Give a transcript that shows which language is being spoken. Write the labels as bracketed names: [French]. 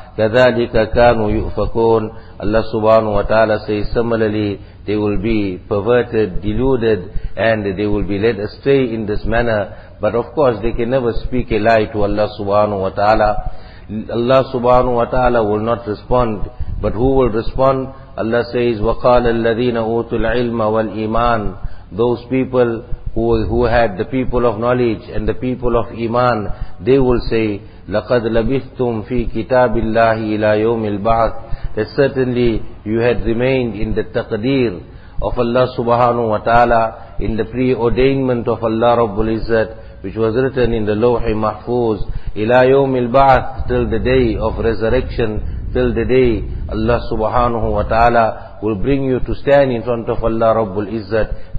[Arabic] كَذَلِكَ كَانُوا يُؤْفَكُونَ. [English] Allah subhanahu wa ta'ala says, similarly, they will be perverted, deluded, and they will be led astray in this manner. But of course, they can never speak a lie to Allah subhanahu wa ta'ala. Allah subhanahu wa ta'ala will not respond. But who will respond? Allah says, [Arabic] وَقَالَ الَّذِينَ أُوتُوا الْعِلْمَ وَالْإِيمَانِ. [English] Those people who had the people of knowledge and the people of iman, they will say, [Arabic] لَقَدْ لَبِثْتُمْ فِي كِتَابِ اللَّهِ إِلَى يَوْمِ الْبَعْثِ. [English] That certainly you had remained in the taqdeer of Allah subhanahu wa ta'ala, in the preordainment of Allah Rabbul Izzat, which was written in the Lawh-e Mahfuz, [Arabic] إِلَى يَوْمِ الْبَعْثِ, [English] till the day of resurrection, till the day Allah subhanahu wa ta'ala will bring you to stand in front of Allah Rabbul Izzat.